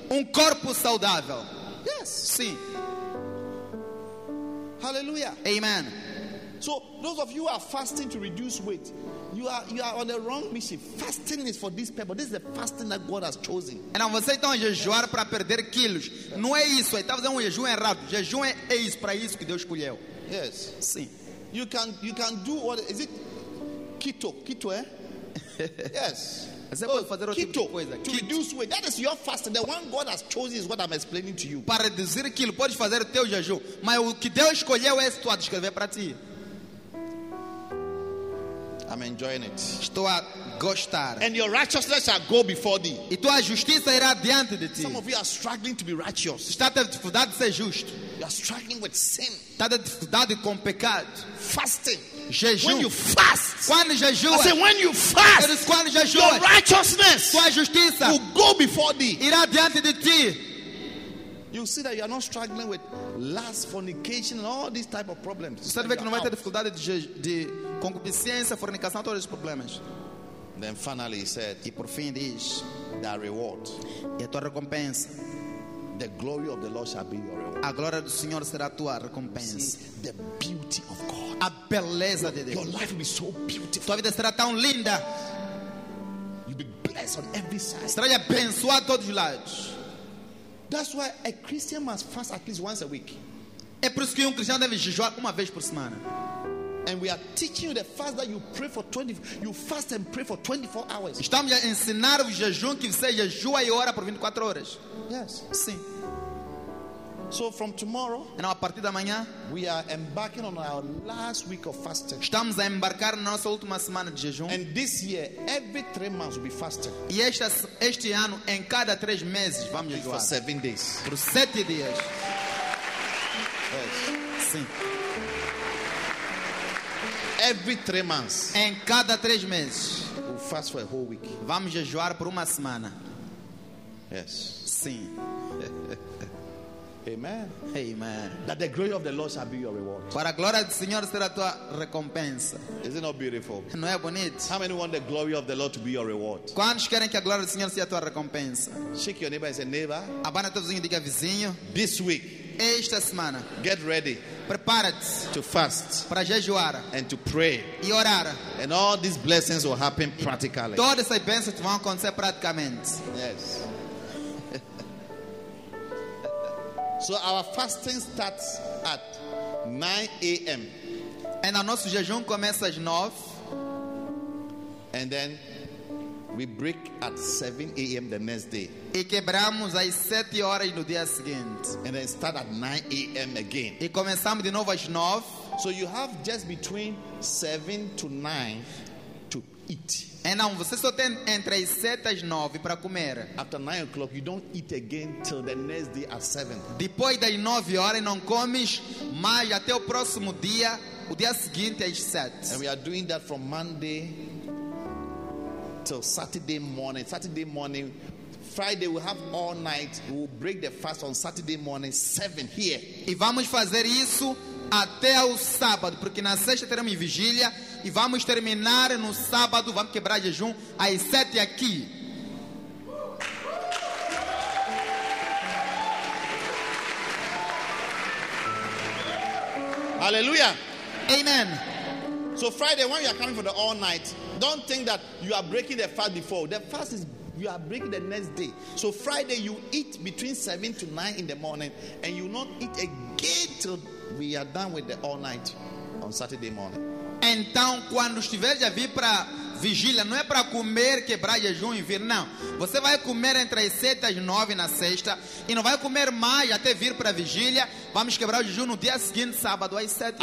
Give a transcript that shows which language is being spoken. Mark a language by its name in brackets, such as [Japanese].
[Portuguese] Um corpo saudável. [English] Yes. [Portuguese] Sim. Hallelujah. Amen. [English] So those of you who are fasting to reduce weight, you are on the wrong mission. Fasting is for these people. This is the fasting that God has chosen. And now [Portuguese] você está a jejuar para perder quilos. Não é isso. Está fazendo um jejum errado. Jejum é isso para isso que Deus escolheu. [English] Yes. [Portuguese] Sim. [English] You can do what is it? Keto. Keto, eh? Yes. Kiddush, that is your fast. The one God has chosen is what I'm explaining to you. [Portuguese] Para dizer que ele pode fazer o teu jejum, mas o que Deus escolheu é isso a descrever para ti. [English] I'm enjoying it. [Portuguese] Estou a gostar. [English] And your righteousness shall go before thee. [Portuguese] E tua justiça irá diante de ti. [English] Some of you are struggling to be righteous. [Portuguese] Está a ter dificuldade de ser justo. [English] You are struggling with sin. [Portuguese] Está a ter dificuldade com pecado. [English] Fasting. [Portuguese] Jejum. [English] When you fast. [Portuguese] Quando jejua. [English] I say when you fast. [Portuguese] Eu disse, quando jejua. [English] Your righteousness. [Portuguese] Tua justiça. [English] Will go before thee. [Portuguese] Irá diante de ti. [English] You see that you are not struggling with lust, fornication, and all these type of problems. [Portuguese] Você vê que não vai ter dificuldade de concupiscência, fornicação, todos esses problemas. [English] Then finally he said, [Portuguese] e por fim diz, [English] the reward, [Portuguese] e a tua recompensa, [English] the glory of the Lord shall be your reward. [Portuguese] A glória do Senhor será a tua recompensa. [English] See, the beauty of God, [Portuguese] a beleza de Deus. [English] Your life will be so beautiful. [Portuguese] Tua vida será tão linda. [English] You'll be blessed on every side. [Portuguese] Será abençoado todos os lados. [English] That's why a Christian must fast at least once a week. [Portuguese] É por isso que cristão deve jejuar uma vez por semana. [English] And we are teaching you the fast that you pray for 20, you fast and pray for 24 hours. [Portuguese] Estamos a ensinar o jejum que você jejua e ora por 24 horas. [English] Yes. [Portuguese] Sim. [English] So from tomorrow, [Portuguese] então, a partir da manhã, [English] we are embarking on our last week of fasting. [Portuguese] Estamos a embarcar na nossa última semana de jejum. [English] And this year, every 3 months we'll be fasting. [Portuguese] E este ano, em cada 3 meses, vamos jejuar. [English] For 7 days. [Portuguese] Por 7 dias. [English] Yes. [Portuguese] Sim. [English] Every 3 months. [Portuguese] Em cada 3 meses. [English] We'll fast for a whole week. [Portuguese] Vamos jejuar por uma semana. [English] Yes. [Portuguese] Sim. Amen. Amen. [English] That the glory of the Lord shall be your reward. [Portuguese] Para a glória do Senhor será tua recompensa. [English] Is it not beautiful? [Portuguese] Não é bonito? [English] How many want the glory of the Lord to be your reward? [Portuguese] Quantos querem que a glória do Senhor seja tua recompensa? [English] Shake your neighbor and say, neighbor. [Portuguese] Abana teu vizinho e diga vizinho. [English] This week. [Portuguese] Esta semana. [English] Get ready. [Portuguese] Prepara-te [English] to fast. [Portuguese] Para jejuar. [English] And to pray. [Portuguese] E orar. [English] And all these blessings will happen practically. [Portuguese] Todas essas bênçãos vão acontecer praticamente. [English] Yes. So our fasting starts at 9 a.m. [Portuguese] And o nosso jejum começa às 9. [English] And then we break at 7 a.m. the next day. [Portuguese] E quebramos às 7 horas no dia seguinte. [English] And then start at 9 a.m. again. [Portuguese] E começamos de novo às 9. [English] So you have just between 7 to 9 to eat. [Portuguese] E não, você só tem entre as 7 e as 9 para comer. [English] After 9 o'clock, you don't eat again till the next day at 7. [Portuguese] Depois das 9 horas, não comes mais até o próximo dia, o dia seguinte às 7. [English] And we are doing that from Monday till Saturday morning. Saturday morning, Friday we have all night. We will break the fast on Saturday morning, 7 here. [Portuguese] E vamos fazer isso até o sábado, porque na sexta teremos vigília. E vamos terminar no sábado, vamos quebrar jejum às 7 aqui. Aleluia. Amen. [English] So Friday when you are coming for the all night, don't think that you are breaking the fast before. The fast is you are breaking the next day. So Friday you eat between 7 to 9 in the morning and you not eat again till we are done with the all night on Saturday morning. [Portuguese] Então, quando estiver a vir para vigília, não é para comer, quebrar jejum e vir, não. Você vai comer entre as 7 e as 9 na sexta e não vai comer mais até vir para vigília. Vamos quebrar o jejum no dia seguinte, sábado, às 7.